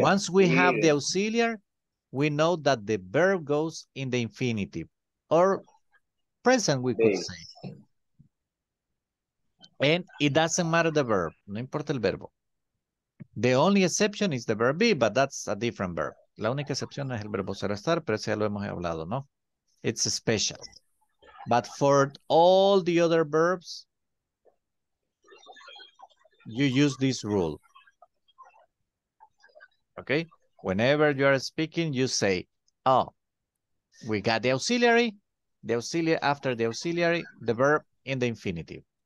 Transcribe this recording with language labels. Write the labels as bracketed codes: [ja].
[en] Once we have the auxiliary, we know that the verb goes in the infinitive or present, we could say. And it doesn't matter the verb. [es] No importa el verbo. [en] The only exception is the verb be, but that's a different verb. [es] La única excepción es el verbo ser estar, pero ese ya lo hemos hablado, ¿no? [en] It's special. But for all the other verbs, you use this rule. Okay? Whenever you are speaking, you say, oh, we got the auxiliary, the verb in the infinitive.